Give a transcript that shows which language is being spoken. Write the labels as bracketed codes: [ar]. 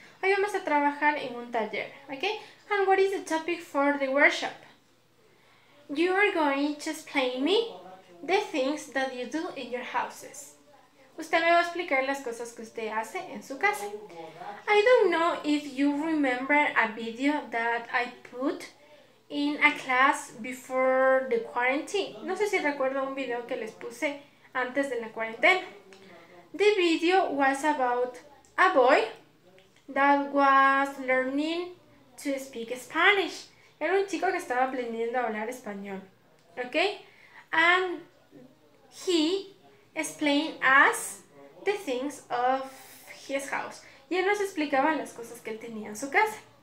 [es] Hoy vamos a trabajar en un taller, okay? [en] And what is the topic for the workshop? You are going to explain me the things that you do in your houses. [es] Usted me va a explicar las cosas que usted hace en su casa. [en] I don't know if you remember a video that I put in a class before the quarantine. [es] No sé si recuerdo un video que les puse antes de la cuarentena. [en] The video was about a boy that was learning to speak Spanish. [es] Era un chico que estaba aprendiendo a hablar español. [en] Okay? And he explained us the things of his house. [es] Y él nos explicaba las cosas que él tenía en su casa.